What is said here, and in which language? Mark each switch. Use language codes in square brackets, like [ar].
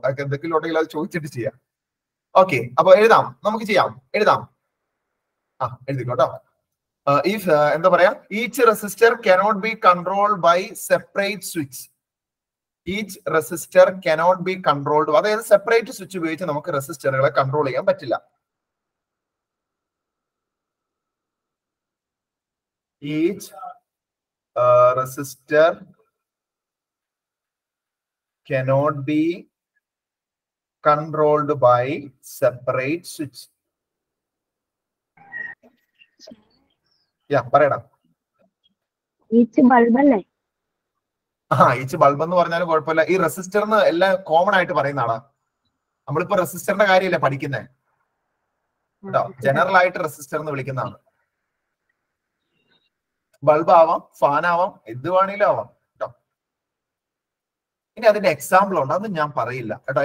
[ml] അതൊക്കെ എന്തെങ്കിലും ഉണ്ടെങ്കിൽ അത് ചോദിച്ചിട്ട് ചെയ്യാം. ഓക്കെ, അപ്പൊ എഴുതാം, നമുക്ക് ചെയ്യാം, എഴുതാം. ആ എഴുതിക്കോട്ടോ. [en] if [ml] എന്താ പറയാ, [en] Each resistor cannot be controlled by separate switch. Each resistor cannot be controlled, [ml] അതായത് സെപ്പറേറ്റ് സ്വിച്ച് ഉപയോഗിച്ച് നമുക്ക് റെസിസ്റ്ററുകളെ കൺട്രോൾ ചെയ്യാൻ പറ്റില്ല. [en] Each resistor cannot be controlled by separate switch. [ml] Yeah, പറയട. [en] Each bulb അല്ലേ? [ml] ആ ഈച്ച് ബൾബ് എന്ന് പറഞ്ഞാലും കുഴപ്പമില്ല. ഈ റെസിസ്റ്റർ എന്ന് എല്ലാം കോമൺ ആയിട്ട് പറയുന്നതാണ്. നമ്മളിപ്പോ റെസിസ്റ്ററിന്റെ കാര്യമല്ലേ പഠിക്കുന്നേ കേട്ടോ. ജനറൽ ആയിട്ട് റെസിസ്റ്റർ എന്ന് വിളിക്കുന്നതാണ്. ബൾബ് ആവാം, ഫാൻ ആവാം, എന്ത് വേണേലും ആവാം കേട്ടോ. ഇനി അതിന്റെ എക്സാമ്പിൾ ഉണ്ട്, അത് ഞാൻ പറയില്ല കേട്ടോ.